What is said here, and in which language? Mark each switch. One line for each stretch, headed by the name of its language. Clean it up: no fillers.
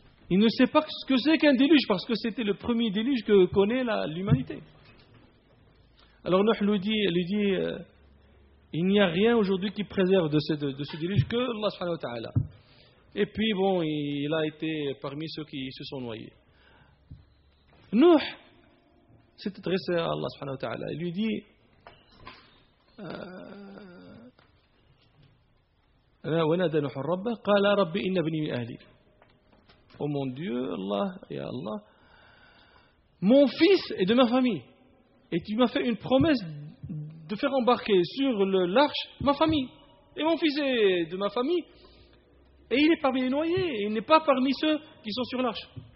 French: Il ne sait pas ce que c'est qu'un déluge, parce que c'était le premier déluge que connaît l'humanité. Alors Nuh lui dit, il n'y a rien aujourd'hui qui préserve de ce déluge que Allah subhanahu wa ta'ala. Et puis bon, il a été parmi ceux qui se sont noyés. Nuh s'est adressé à Allah subhanahu wa ta'ala. Il lui dit,
Arabic: ونادى نوح ربه قال ربي إن ابني من أهلي.
French: Oh mon Dieu, Allah, ya Allah, mon fils est de ma famille. Et tu m'as fait une promesse de faire embarquer sur l'arche ma famille. Et mon fils est de ma famille. Et il est parmi les noyés. Et il n'est pas parmi ceux qui sont sur l'arche.